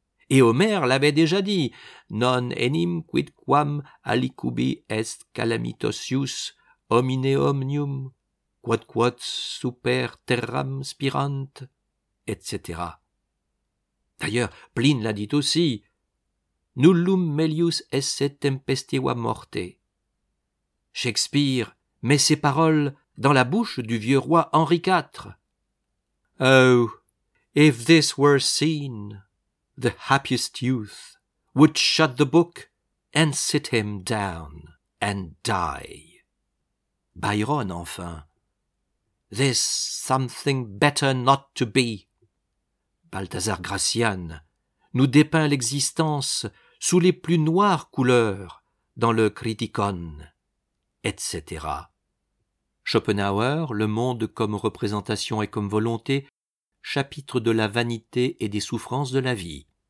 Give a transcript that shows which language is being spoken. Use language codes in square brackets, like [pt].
[fr] Et Homère l'avait déjà dit [la] « Non enim quidquam alicubi est calamitosius homine omnium quodquod super terram spirant » etc. [fr] D'ailleurs, Pline l'a dit aussi « [la] Nullum melius esse tempestiva morte [fr] » Shakespeare met ses paroles dans la bouche du vieux roi Henri IV. [en] Oh, if this were seen, the happiest youth would shut the book and sit him down and die. Byron, enfin. This something better not to be. [fr] Balthazar Gracian nous dépeint l'existence sous les plus noires couleurs dans le Criticon. Etc. Schopenhauer, Le monde comme représentation et comme volonté, chapitre de la vanité et des souffrances de la vie.